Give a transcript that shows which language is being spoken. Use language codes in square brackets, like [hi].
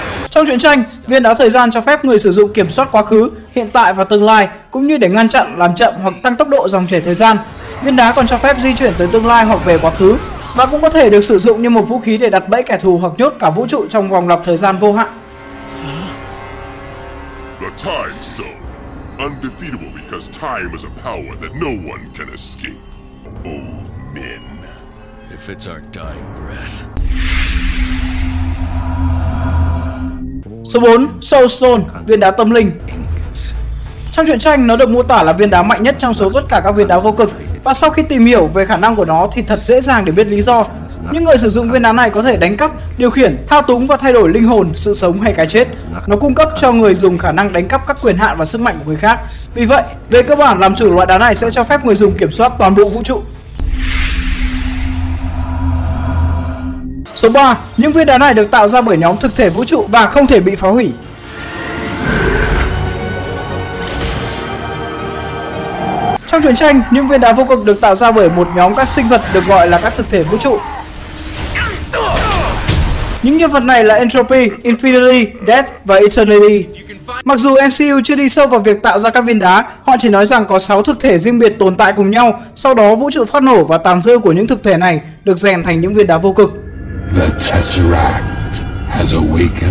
[vi] Trong truyện tranh, viên đá thời gian cho phép người sử dụng kiểm soát quá khứ, hiện tại và tương lai, cũng như để ngăn chặn, làm chậm hoặc tăng tốc độ dòng chảy thời gian. Viên đá còn cho phép di chuyển tới tương lai hoặc về quá khứ, và cũng có thể được sử dụng như một vũ khí để đặt bẫy kẻ thù hoặc nhốt cả vũ trụ trong vòng lặp thời gian vô hạn. [en] The Time Stone, undefeatable because time is a power that no one can escape. Old men, if it's our dying breath. [vi] Số 4, Soul Stone, viên đá tâm linh. Trong truyện tranh, nó được mô tả là viên đá mạnh nhất trong số tất cả các viên đá vô cực. Và sau khi tìm hiểu về khả năng của nó thì thật dễ dàng để biết lý do. Những người sử dụng viên đá này có thể đánh cắp, điều khiển, thao túng và thay đổi linh hồn, sự sống hay cái chết. Nó cung cấp cho người dùng khả năng đánh cắp các quyền hạn và sức mạnh của người khác. Vì vậy, về cơ bản, làm chủ loại đá này sẽ cho phép người dùng kiểm soát toàn bộ vũ trụ. Số 3, những viên đá này được tạo ra bởi nhóm thực thể vũ trụ và không thể bị phá hủy. Trong truyện tranh, những viên đá vô cực được tạo ra bởi một nhóm các sinh vật được gọi là các thực thể vũ trụ. Những nhân vật này là Entropy, Infinity, Death và Eternity. Mặc dù MCU chưa đi sâu vào việc tạo ra các viên đá, họ chỉ nói rằng có 6 thực thể riêng biệt tồn tại cùng nhau, sau đó vũ trụ phát nổ và tàn dư của những thực thể này được rèn thành những viên đá vô cực. [en] The Tesseract has awakened.